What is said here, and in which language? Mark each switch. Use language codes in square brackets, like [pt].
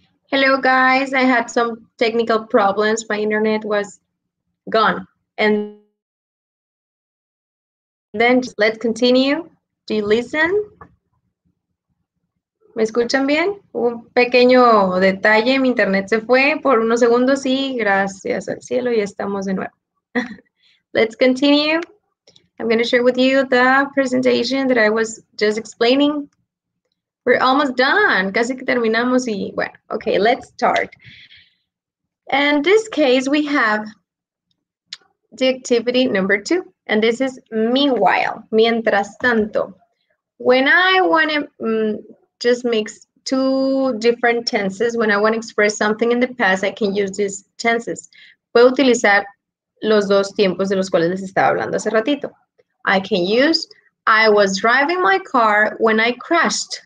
[en] Hello guys, I had some technical problems. My internet was gone. And then just let's continue. Do you listen? [es] ¿Me escuchan bien? Un pequeño detalle, mi internet se fue por unos segundos y gracias al cielo ya estamos de nuevo. [en] Let's continue. I'm going to share with you the presentation that I was just explaining. We're almost done. [es] Casi que terminamos y bueno, [en] okay, let's start. In this case, we have the activity number two, and this is meanwhile, [es] mientras tanto. [en] When I want to just mix two different tenses, when I want to express something in the past, I can use these tenses. [es] Puedo utilizar los dos tiempos de los cuales les estaba hablando hace ratito. [en] I can use, I was driving my car when I crashed.